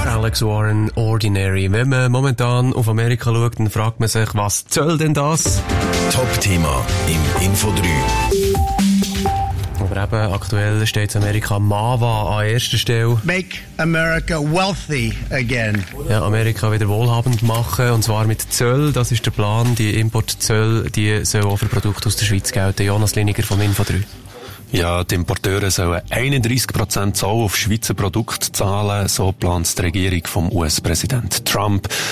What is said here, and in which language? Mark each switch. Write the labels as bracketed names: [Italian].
[German] Wenn man momentan auf Amerika schaut, dann fragt man sich, was soll denn das? Top-Thema im Info 3. Aber eben, aktuell steht Amerika Mawa an erster Stelle. [English] Make America wealthy again. [German] Ja, Amerika wieder wohlhabend machen, und zwar mit Zöll. Das ist der Plan. Die Importzöll, die soll auch für Produkte aus der Schweiz gelten. Jonas Liniger vom Info 3. Ja, die Importeure sollen 31% Zoll auf Schweizer Produkte zahlen, so plant die Regierung vom US-Präsident Trump.